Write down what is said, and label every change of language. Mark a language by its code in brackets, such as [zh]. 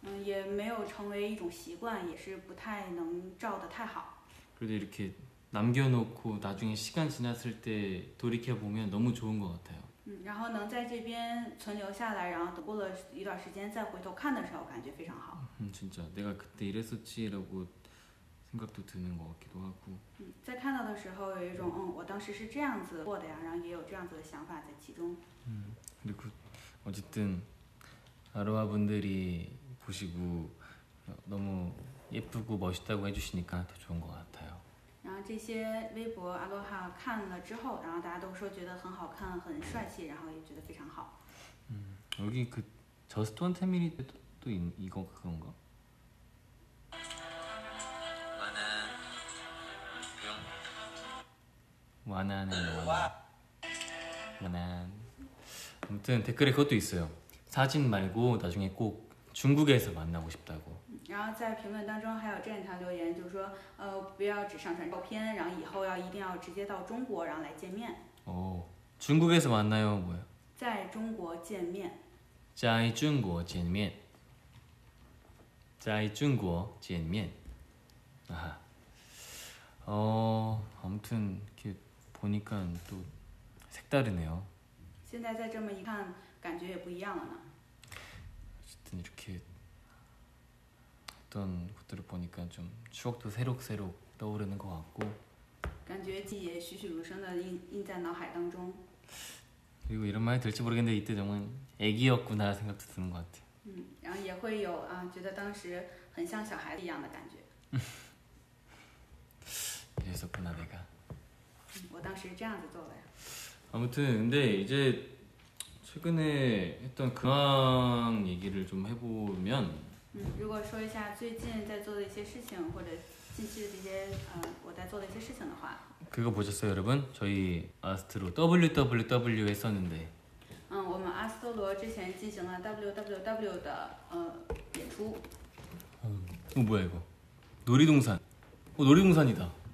[zh] 也没有成为一种习惯也是不太能照得太好 [ko] 그래도이렇게남겨놓고나중에시간지났을때돌이켜보면너무좋은것같아요 [zh] 然后能在这边存留下来，然后等过了一段时间再回头看的时候，感觉非常好。 [ko] 진짜내가그때이랬었지라고생각도드는것같기도하고 [zh] 在看到的时候，有一种我当时是这样子过的呀，然后也有这样子的想法在其中。 [ko] 근데그어쨌든아로하분들이보시고너무예쁘고멋있다고해주시니까더좋은것같아요 [zh] 然后这些微博阿罗哈看了之后，然后大家都说觉得很好看，很帅气，然后也觉得非常好。 [ko] 여기그저스톤태민이또이이거그건가 와나는그럼 와나는와나와나아무튼댓글에그것도있어요사진말고나중에꼭중국에서만나고싶다고 [zh] 然后在评论当中还有这样一条留言，就是说，不要只上传照片，然后以后要一定要直接到中国，然后来见面。 [ko] 哦，중국에서만나요뭐야 [zh] 在中国见面。在中国见面。在中国见面。 [ko] 아하어아무튼이렇게보니까또색다르네요 [zh] 现在再这么一看，感觉也不一样了呢。 [ko] 어쨌든이렇게어떤것들을보니까좀추억도새록새록떠오르는것같고 [zh] 感觉记忆栩栩如生的印在脑海当中 [ko] 그리고이런말이될지모르겠는데이때정말애기였구나생각도드는것같아 [zh] 然后也会有啊，觉得当时很像小孩子一样的感觉。 [ko] 이랬었구나내가 [zh] 我当时这样子做的呀。 [ko] 아무튼근데이제최근에했던근황얘기를좀해보면 [zh] 如果说一下最近在做的一些事情，或者近期的这些，我在做的一些事情的话， [ko] 그거보셨어요여러분저희아스트로 WWW 했었는데 [zh] 我们阿斯托罗之前进行了 WWW 的演出。 [ko] 뭐야이거놀이동산놀이동산이다